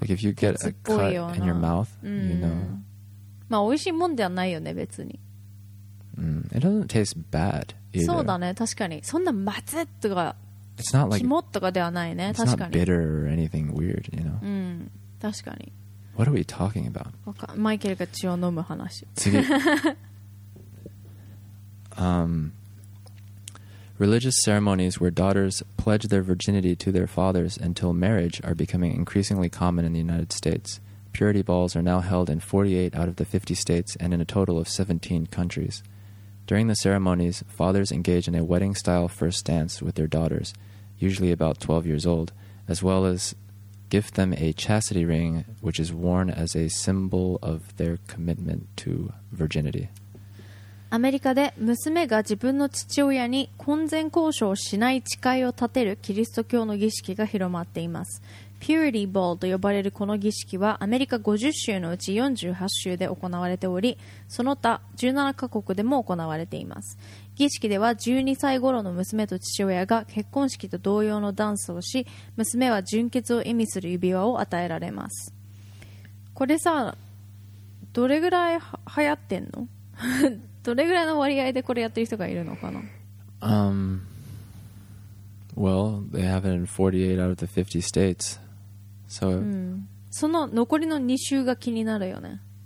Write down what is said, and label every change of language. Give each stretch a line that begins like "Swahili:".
English: Like if you get a cut in your mouth, you know.
Japanese: まあ美味しいもんではないよね、別に。
English: It doesn't taste bad either.
Japanese: そうだね、確かに。そんなまずいとか、
English: It's not like,
Japanese: 肝とかではないね、確かに。
English: It's not bitter or anything weird, you know.
Japanese: 確かに。
English: What are we talking about?
Japanese: マイケルが血を飲む話。次。
English: Religious ceremonies where daughters pledge their virginity to their fathers until marriage are becoming increasingly common in the United States. Purity balls are now held in 48 out of the 50 states and in a total of 17 countries. During the ceremonies, fathers engage in a wedding-style first dance with their daughters, usually about 12 years old, as well as gift them a chastity ring, which is worn as a symbol of their commitment to virginity.
Japanese: アメリカで娘が自分の父親に婚前交渉をしない誓いを立てるキリスト教の儀式が広まっています。 Purity Ball と呼ばれるこの儀式はアメリカ50州のうち48州で行われており、その他17カ国でも行われています。儀式では12歳頃の娘と父親が結婚式と同様のダンスをし、娘は純潔を意味する指輪を与えられます。これさ、どれぐらい流行ってんの？どれぐらいの割合でこれやってる人がいるのかな。
English: Well, they have it in 48 out of the 50 states. So,、
Japanese: その残りの2州が気になるよね。